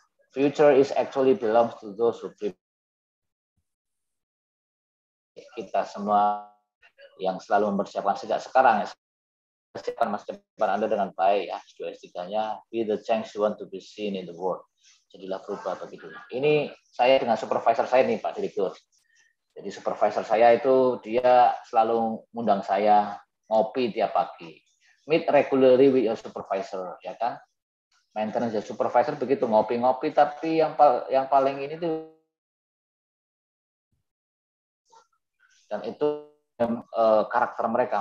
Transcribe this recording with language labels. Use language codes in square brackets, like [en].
[en] Future is actually belongs to those who prepare. [id] Kita semua yang selalu mempersiapkan sejak sekarang. Persiapkan masa depan Anda dengan baik ya. S2-S3-nya. [en] Be the change you want to be seen in the world. [id] Jadilah berubah bagi dunia. Ini saya dengan supervisor saya nih, Pak Direktur. Jadi supervisor saya itu dia selalu mengundang saya ngopi tiap pagi. [en] Meet regularly with your supervisor, [id] ya kan? [en] Maintenance your supervisor [id] begitu ngopi-ngopi, tapi yang paling ini tuh dan itu karakter mereka.